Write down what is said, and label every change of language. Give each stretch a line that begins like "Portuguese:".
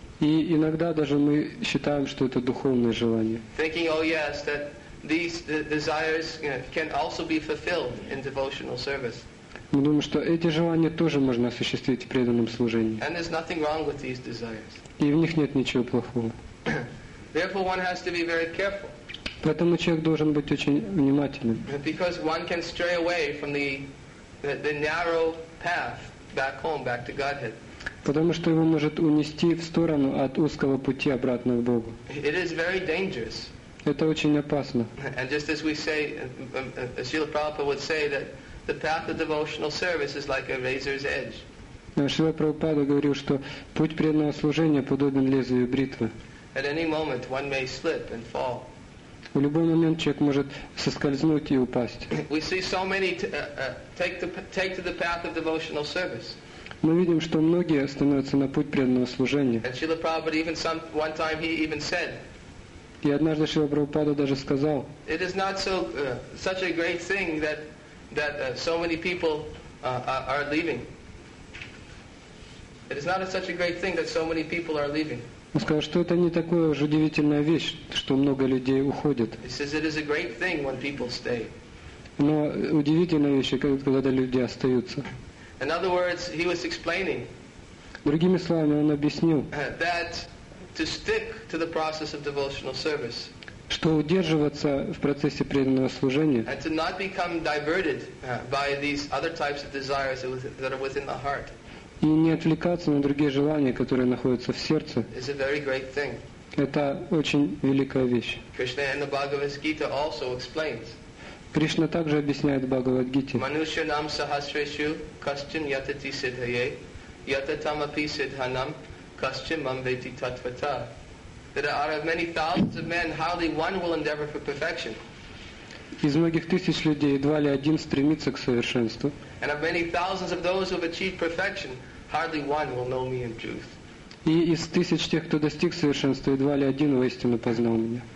Russian: И иногда даже мы считаем, что это духовное желание.
English: Thinking, oh yes, that these desires can also be fulfilled in devotional service.
Russian: Мы думаем, что эти желания тоже можно осуществить в преданном служении.
English: And there's nothing wrong with these desires.
Russian: И в них нет ничего плохого.
English: Therefore, one has to be very careful.
Russian: Поэтому человек должен быть очень внимательным.
English: Because one can stray away from the narrow path back home, back to Godhead.
Russian: Потому что его может унести в сторону от узкого пути обратно к Богу.
English: It is very dangerous.
Russian: Это очень опасно.
English: And just as we say, as Srila Prabhupada would say, that the path of devotional service is like a razor's edge.
Russian: Srila Prabhupada говорил, что путь преданного служения подобен лезвию бритвы.
English: At any moment one may slip and fall.
Russian: В любой момент человек может соскользнуть и упасть.
English: We see so many take to the path of devotional service.
Russian: Мы видим, что многие становятся на путь преданного служения.
English: And Srila Prabhupada even one time he even said.
Russian: И однажды Шрила Прабхупада даже сказал.
English: It is not so such a great thing that so many people are leaving. It is not such a great thing that so many people are leaving.
Russian: Он сказал, что это не такая уж удивительная вещь, что много людей уходит.
English: He says it is a great thing when people stay.
Russian: Но удивительная вещь, когда люди остаются.
English: In other words, he was explaining.
Russian: Другими словами, он объяснил.
English: That to stick to the process of devotional service.
Russian: Что удерживаться в процессе преданного служения.
English: And to not become diverted by these other types of desires that are within the heart.
Russian: И не отвлекаться на другие желания, которые находятся в сердце.
English: Is a very great thing.
Russian: Это очень великая вещь.
English: Krishna in the Bhagavad Gita also explains.
Russian: Кришна также объясняет в Бхагавад-гите.
Sanskrit: Манушья нам сахасрешу кашчин ятати сидхайе, ятатам апи сидханам кашчин мамвети татвата.
English: That out of many thousands of men, hardly one will endeavor for perfection.
Russian: Из многих тысяч людей, едва ли один стремится к совершенству.
English: And of many thousands of those who have achieved perfection, hardly one will know me in truth.
Russian: И из тысяч тех, кто достиг совершенства, едва ли один воистину познал меня.